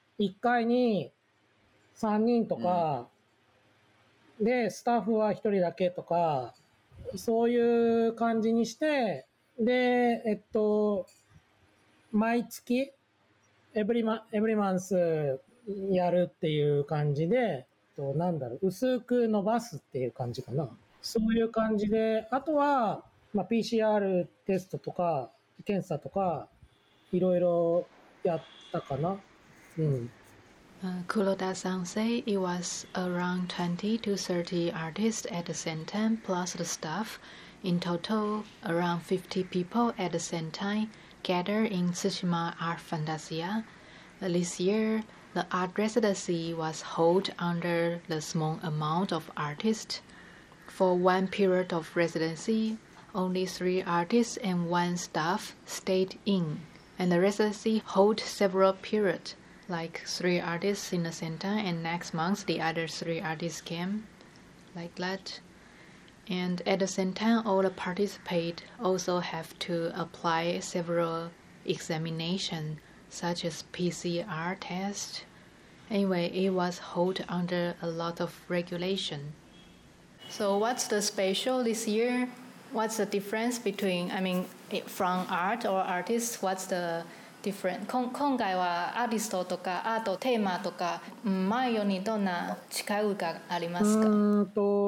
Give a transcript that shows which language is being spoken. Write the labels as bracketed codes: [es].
[ja] 1回に3人とか、うんで、スタッフは一人だけとか、そういう感じにして、で、毎月、 [en] every month [ja] やるっていう感じで、なんだろう、薄く伸ばすっていう感じかな。そういう感じで、あとは、まあ、PCR テストとか、検査とか、いろいろやったかな。うん。 [en] Kuroda-san say it was around 20 to 30 artists at the same time plus the staff. In total, around 50 people at the same time gathered in Tsushima Art Fantasia. This year, the art residency was held under the small amount of artists. For one period of residency, only 3 artists and 1 staff stayed in, and the residency held several periods. Like 3 artists in the center, and next month the other 3 artists came, like that. And at the same time, all the participate also have to apply several examination, such as PCR test. Anyway, it was held under a lot of regulation. So what's the special this year? What's the difference between, from art or artists, what's the... Different. [ja] 今回はアーティストとかアートテーマとか前よりどんな違いがありますか？